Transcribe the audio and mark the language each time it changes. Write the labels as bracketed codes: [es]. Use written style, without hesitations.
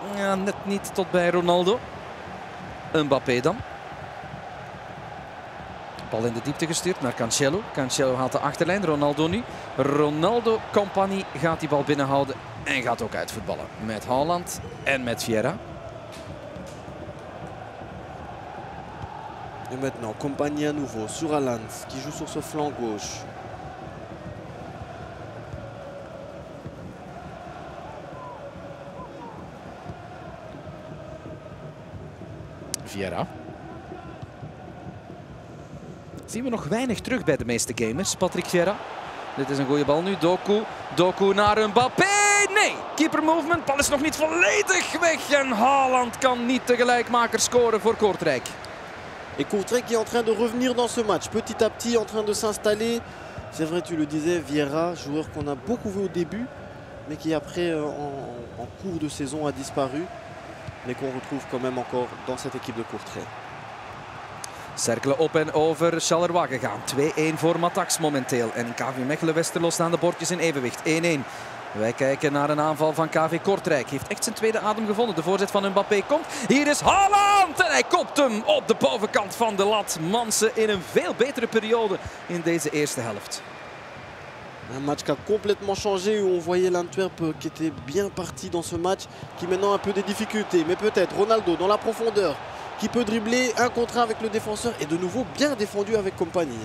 [nl] Ja, net niet tot bij Ronaldo. Mbappé dan. Bal in de diepte gestuurd naar Cancelo. Cancelo haalt de achterlijn, Ronaldo nu. Ronaldo Company gaat die bal binnenhouden en gaat ook uitvoetballen. Met Haaland en met Vieira. [fr] En maintenant Company à nouveau sur Haaland, qui joue sur ce flanc gauche. Vieira. [nl] Zien we nog weinig terug bij de meeste gamers. Patrick Vieira. Dit is een goede bal nu. Doku. Doku naar Mbappé. Nee. Keeper movement. Bal is nog niet volledig weg. En Haaland kan niet tegelijkmaker scoren voor Kortrijk. [fr] En Kortrijk is in train de revenir dans ce match. Petit à petit, en train de s'installer. C'est vrai, tu le disais, Vieira, joueur qu'on a beaucoup vu au début. Mais qui après, en cours de saison, a disparu. Mais qu'on retrouve quand même encore dans cette équipe de Kortrijk. [nl] Cerkelen op en over Charleroi gegaan. 2-1 voor Mataks momenteel. En KV Mechelen-Westerlo staan de bordjes in evenwicht. 1-1. Wij kijken naar een aanval van KV Kortrijk. Heeft echt zijn tweede adem gevonden. De voorzet van Mbappé komt. Hier is Haaland. En hij kopt hem op de bovenkant van de lat. Mansen in een veel betere periode in deze eerste helft. [fr] Un match qui a complètement changé, où on voyait l'Antwerp qui était bien parti dans ce match, qui maintenant a un peu des difficultés. Mais peut-être Ronaldo dans la profondeur, qui peut dribbler un contre un avec le défenseur et de nouveau bien défendu avec Kompany.